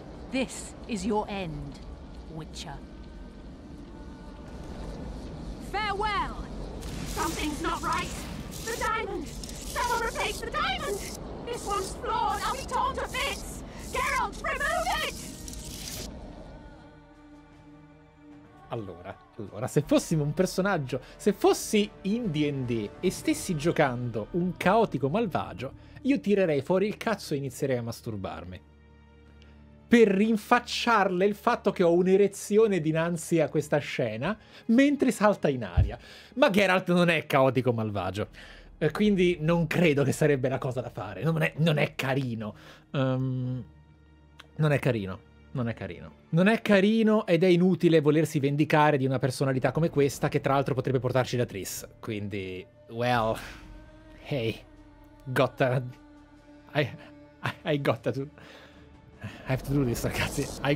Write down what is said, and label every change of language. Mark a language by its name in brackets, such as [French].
[English] This is your end, Witcher. Farewell! Something's not right! The diamond! Someone replace the diamond! This one's flawed, I'll be torn to bits! Geralt, remove it! [Italian] Allora, se fossimo un personaggio, se fossi in D&D e stessi giocando un caotico malvagio, io tirerei fuori il cazzo e inizierei a masturbarmi. Per rinfacciarle il fatto che ho un'erezione dinanzi a questa scena mentre salta in aria. Ma Geralt non è caotico malvagio. Quindi non credo che sarebbe la cosa da fare. Non è carino. Non è carino ed è inutile volersi vendicare di una personalità come questa che tra l'altro potrebbe portarci da Triss. [English] Quindi, well, hey, I have to do this, ragazzi.